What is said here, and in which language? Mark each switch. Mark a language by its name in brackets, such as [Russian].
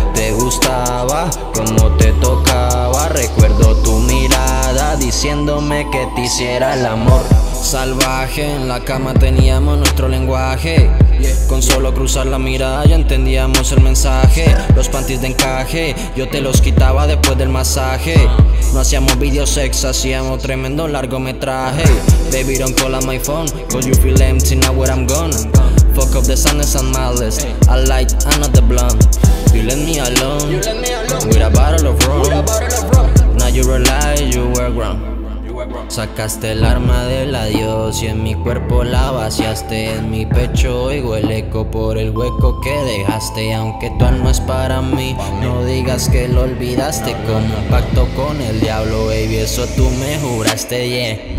[Spanish] Te gustaba como te tocaba, recuerdo tu mirada diciéndome que te hiciera el amor. Salvaje, en la cama teníamos nuestro lenguaje. Con solo cruzar la mirada ya entendíamos el mensaje. Los panties de encaje, yo te los quitaba después del masaje. No hacíamos video sex, hacíamos tremendo largometraje. [English] Baby, don't call on my phone, cause you feel empty now where I'm gone. Fuck up the sadness and malice, I light another blunt. You left me alone, with a bottle of rum. Now you realize you were grown. [Spanish] Sacaste el arma del adiós y en mi cuerpo la vaciaste. En mi pecho oigo el eco por el hueco que dejaste. Aunque tu alma es para mí, no digas que lo olvidaste. Como un pacto con el diablo, baby, eso tú me juraste, yeah.